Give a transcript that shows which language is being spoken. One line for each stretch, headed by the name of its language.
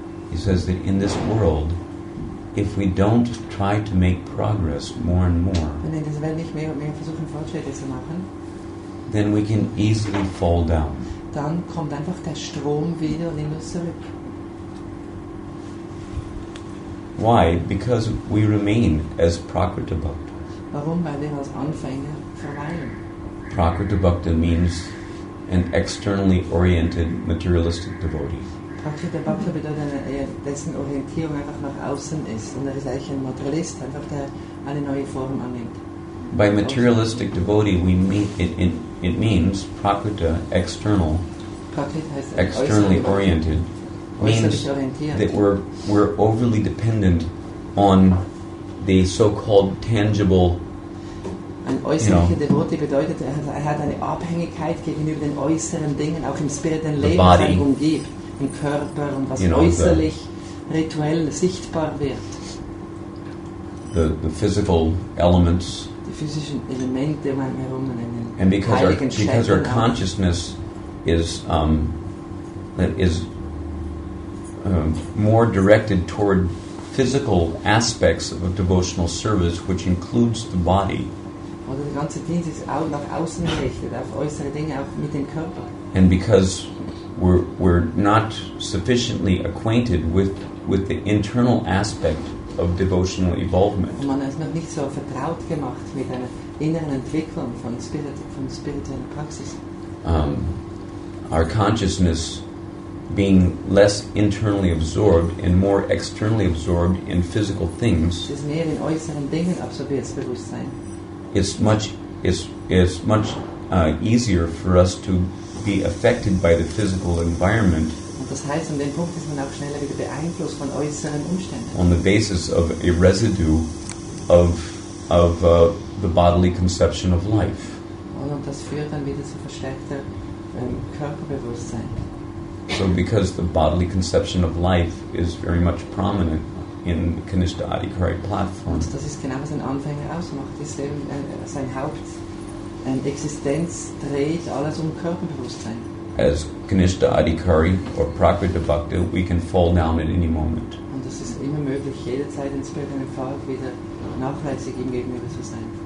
English: He says that in this world, if we don't try to make progress more and more, then we can easily fall down.
German: Dann kommt einfach der Strom wieder und immer zurück.
English: Why? Because we remain as Prakriti Bhakta.
German: Warum? Weil wir als Anfänger verweilen.
English: Prakriti Bhakta means an externally oriented materialistic devotee.
German: Praktisch Bhakti bedeutet, dessen Orientierung einfach nach außen ist, und er ist eigentlich ein Materialist, einfach der eine neue Form annimmt.
English: By materialistic devotee, we mean it means prakriti, external, externally oriented, means that we're overly dependent on the so-called tangible.
German: Ein äußerlicher Devotee bedeutet, er hat eine Abhängigkeit gegenüber den äußeren Dingen, auch im spirituellen Leben, was ihn umgibt, im Körper und was äußerlich rituell sichtbar wird.
English: The physical elements. And because our consciousness is more directed toward physical aspects of devotional service, which includes the body, and because we're not sufficiently acquainted with the internal aspect of devotional evolvement.
German: Und man ist noch nicht so vertraut gemacht mit einer inneren Entwicklung von spirituellen Praxis.
English: Our consciousness being less internally absorbed and more externally absorbed in physical things.
German: Es ist mehr in äußeren Dingen absorbiertes Bewusstsein.
English: It's much easier for us to be affected by the physical environment.
German: Das heißt, an dem Punkt ist man auch schneller wieder beeinflusst von äußeren Umständen.
English: On the basis of a residue of the bodily conception of life.
German: Und das führt dann wieder zu verstärkter Körperbewusstsein.
English: So because the bodily conception of life is very much prominent in the Kanishtha Adhikari platform.
German: Und das ist genau, was ein Anfänger ausmacht. Ist eben sein Haupt Existenz dreht alles um Körperbewusstsein.
English: As Kanishtha Adhikari or Prakriti Bhakta, we can fall down at any moment.
German: Und es ist immer möglich, jederzeit in spirituellen Fahrt wieder nachlässig ihm gegenüber zu sein.